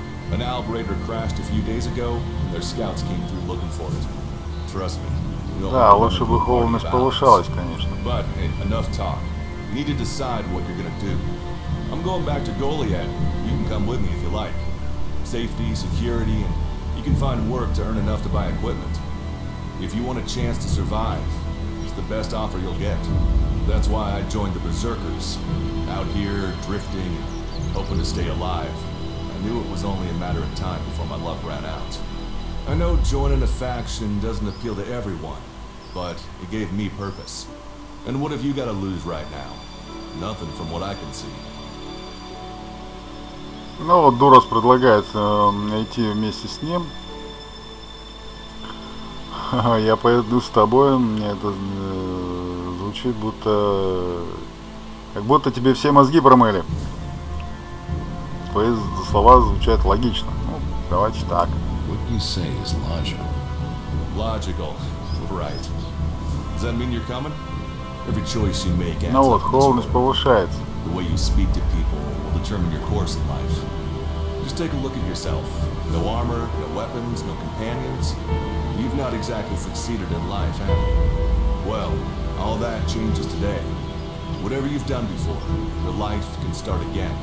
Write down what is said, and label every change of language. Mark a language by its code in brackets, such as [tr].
[en] An ALB raider crashed a few days ago, and their scouts came through looking for it. Trust me. [ru] Да, лучше бы холодность повышалась, конечно. [en] But, hey, enough talk. You need to decide what you're gonna do. I'm going back to Goliath. You can come with me if you like. Safety, security, and you can find work to earn enough to buy equipment. If you want a chance to survive, it's the best offer you'll get. That's why I joined the Berserkers. Out here, drifting, hoping to stay alive. I knew it was only a matter of time before my luck ran out. I know joining a faction doesn't appeal to everyone, but it gave me purpose. And what have you got to lose right now? Nothing from what I can see. [ru] Ну вот Дурос предлагает идти вместе с ним. Я пойду с тобой, мне это звучит будто... Как будто тебе все мозги промыли. Твои слова звучат логично. Ну, давайте так. [en] What you say is logical. Logical. Right. Does that mean you're coming? Every choice you make ends. [ru] Ну вот, холодность повышается. [en] The way you speak to people will determine your course in life. Just take a look at yourself. No armor, no weapons, no companions. You've not exactly succeeded in life, have you? Well, all that changes today. Whatever you've done before, your life can start again.